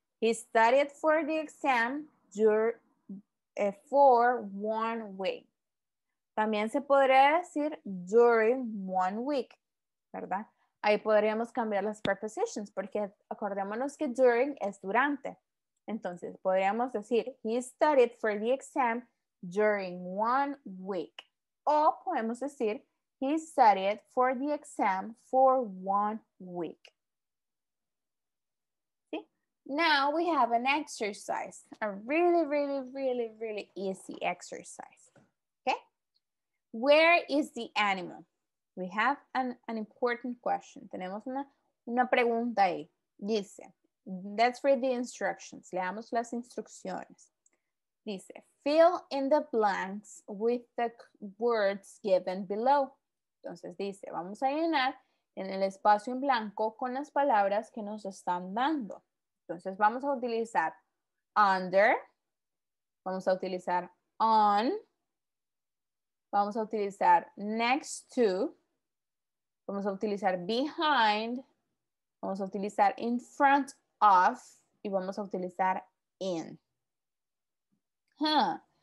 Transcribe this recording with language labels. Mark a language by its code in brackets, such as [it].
[en] He studied for the exam for 1 week. [es] También se podría decir [en] during 1 week, [es] ¿verdad? Ahí podríamos cambiar las prepositions porque acordémonos que during es durante. Entonces, podríamos decir [en] he studied for the exam during 1 week. [es] O podemos decir [en] he studied for the exam for 1 week. [es] ¿Sí? [en] Now we have an exercise. A really, really, really, really easy exercise. Okay? Where is the animal? We have an important question. [es] Tenemos una pregunta ahí. Dice, [en] let's read the instructions. [es] Leamos las instrucciones. Dice, [en] fill in the blanks with the words given below. [es] Entonces dice, vamos a llenar en el espacio en blanco con las palabras que nos están dando. Entonces vamos a utilizar under, vamos a utilizar on, vamos a utilizar next to, vamos a utilizar behind, vamos a utilizar [en] in front of [es] y vamos a utilizar in. Huh.